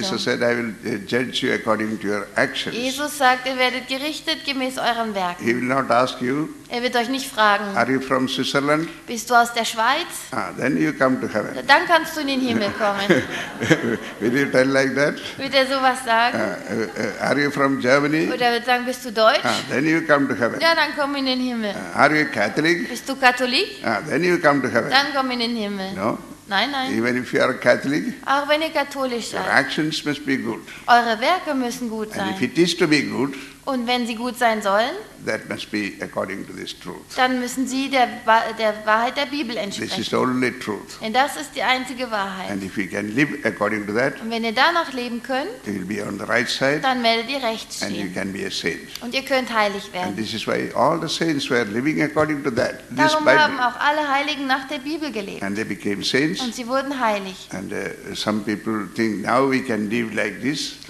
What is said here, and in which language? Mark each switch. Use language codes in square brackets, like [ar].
[en] Jesus said, I will judge you according to your actions. [de] Jesus sagt, ihr werdet gerichtet gemäß euren Werken. [en] He will not ask you, [de] er wird euch nicht fragen, [en] are you from Switzerland? [de] Bist du aus der Schweiz? [en] Then you come to heaven. [de] Dann kannst du in den Himmel kommen. [en] Will you tell like that? [de] Wird er sowas sagen? [en] Are you from Germany? [de] Oder wird sagen, bist du Deutsch? [en] Then you come to heaven. [de] Ja, dann komm in den Himmel. [en] Are you Catholic? [de] Bist du Katholik? [en] Then you come to heaven. [de] Dann komm in den Himmel. [en] No? [de] Nein, nein. [en] Even if you are Catholic, [de] auch wenn ihr katholisch seid, [en] your actions must be good. [de] Eure Werke müssen gut sein. [en] And if it is to be good, [de] und wenn sie gut sein sollen, [en] that must be according to this truth. [de] Dann müssen sie der Wahrheit der Bibel entsprechen. [en] This is only truth. [de] Denn das ist die einzige Wahrheit. [en] And if we can live according to that, [de] und wenn ihr danach leben könnt, [en] you'll be on the right side, [de] dann werdet ihr rechts stehen. [en] And you can be a saint. [de] Und ihr könnt heilig werden. [en] And this is why all the saints were living according to that. [de] Darum [en] this Bible. [de] Haben auch alle Heiligen nach der Bibel gelebt. [en] And they became saints. [de] Und sie wurden heilig. [en] And some people think now we can live like this.